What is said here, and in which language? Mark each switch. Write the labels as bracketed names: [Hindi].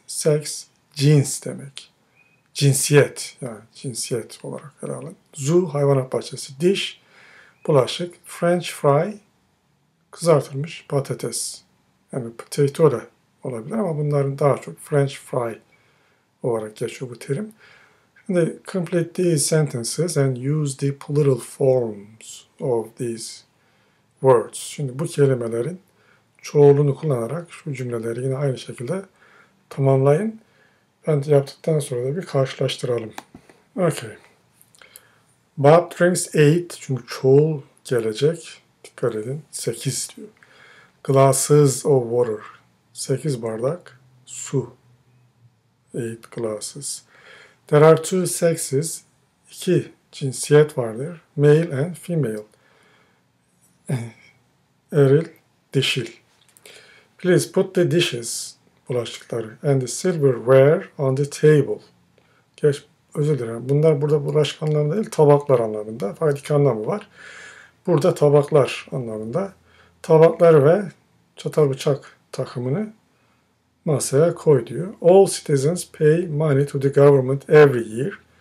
[Turkish] Sex, cins demek. Cinsiyet. Yani cinsiyet olarak ele alın. Zoo, hayvanat bahçesi. Dish, bulaşık. French fry, kızartılmış patates. Yani potato da olabilir ama bunların daha çok French fry olarak geçiyor bu terim. Şimdi [English] complete these sentences and use the plural forms of these words. [Turkish] Şimdi bu kelimelerin çoğulunu kullanarak şu cümleleri yine aynı şekilde tamamlayın. Ben de yaptıktan sonra da bir karşılaştıralım. Okay. [English] Bob drinks eight. [Turkish] Çünkü çoğul gelecek. Dikkat edin. Sekiz diyor. [English] Glasses of water. [Turkish] Sekiz bardak su. [English] Eight glasses. There are two sexes, [Turkish] iki cinsiyet vardır, [English] male and female, [Turkish] eril, dişil. [English] Please put the dishes, [Turkish] bulaşıkları, [English] and the silverware on the table. [Turkish] Geç, özür dilerim, bunlar burada bulaşık anlamında değil, tabaklar anlamında, fakat iki anlamı var. Burada tabaklar anlamında, tabaklar ve çatal bıçak takımını masaya koy diyor. [English] All citizens pay money to the government every year.